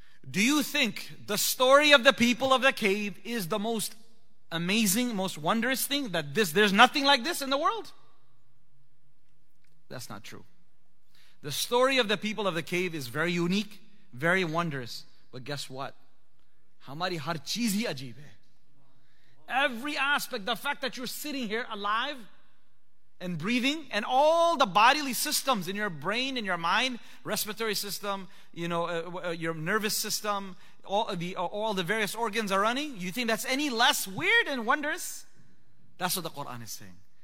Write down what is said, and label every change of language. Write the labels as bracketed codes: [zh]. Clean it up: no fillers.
[en] Do you think the story of the people of the cave is the most amazing, most wondrous thing? That there's nothing like this in the world? That's not true. The story of the people of the cave is very unique, very wondrous. But guess what? [ur] ہماری ہر چیز ہی عجیب ہے. [en] Every aspect, the fact that you're sitting here alive and breathing, and all the bodily systems in your brain, in your mind, respiratory system, you know, your nervous system, all the various organs are running. You think that's any less weird and wondrous? That's what the Quran is saying.